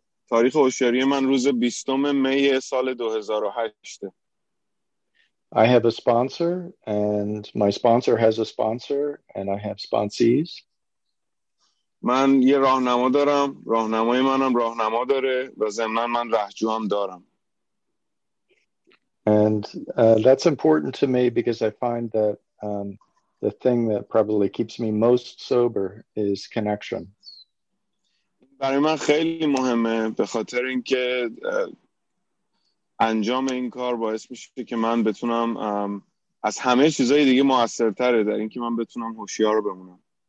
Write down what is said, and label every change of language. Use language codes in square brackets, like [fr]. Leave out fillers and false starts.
[fa] تاریخ هوشیاری من روز 20 می سال 2008. [en] I have a sponsor and my sponsor has a sponsor and I have sponsees. [fa] من یه راهنما دارم، راهنمای منم راهنما داره و ضمناً من رهجو هم دارم. [en] And that's important to me because I find that the thing that probably keeps me most sober is connection. [fa] برای من خیلی مهمه به خاطر اینکه انجام این کار باعث میشه که من بتونم از همه چیزهای دیگه موثرتره در اینکه من بتونم هوشیار بمونم.